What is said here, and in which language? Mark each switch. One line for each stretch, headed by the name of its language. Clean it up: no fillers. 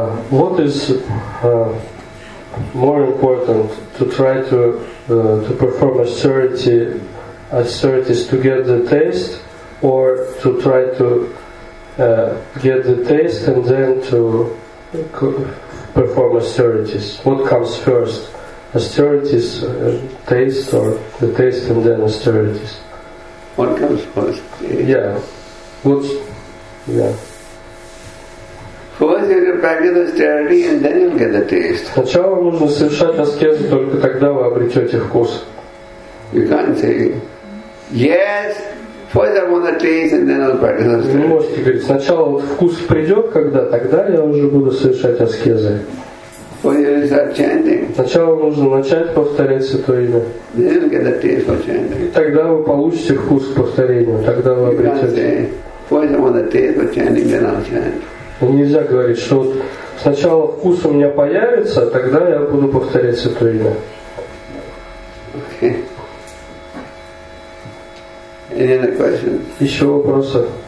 English: What is more important, to try to perform austerity is to get the taste, or to try to get the taste and then to perform austerities. What comes first? Austerities, taste, or the taste and then austerities? What comes first? Yeah. What's, yeah. First you have to practice austerity and then you'll get the taste.
Russian: Сначала нужно совершать аскезу, только тогда вы обретете вкус.
English: You can't say yes, first I want the taste and then I'll practice austerity.
Russian: Вы не можете говорить, сначала вот вкус придет, когда тогда я уже буду совершать аскезы.
English: When you start chanting.
Russian: Сначала нужно начать повторять святое имя.
English: Then you'll get the taste for chanting.
Russian: И тогда вы получите вкус к повторению, тогда вы обретете.
English: You can't say, first I want the taste for chanting, then I'll chant.
Russian: Нельзя говорить, что вот сначала вкус у меня появится, тогда я буду повторять святое имя.
English: Okay. Any other questions?
Russian: Еще вопросы?